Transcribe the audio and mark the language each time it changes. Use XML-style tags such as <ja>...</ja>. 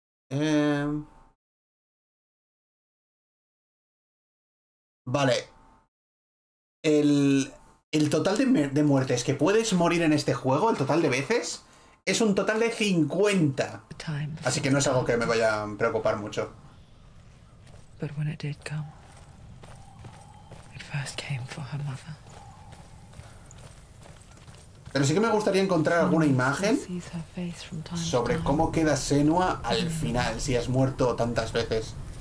<es>Vale. El total de muertes que puedes morir en este juego, el total de veces, es un total de 50. Así que no es algo que me vaya a preocupar mucho.</es> <en>But when it did come, it first came for her mother.</en> <es>Pero sí que me gustaría encontrar alguna imagen sobre cómo queda Senua al final, si has muerto tantas veces.</es>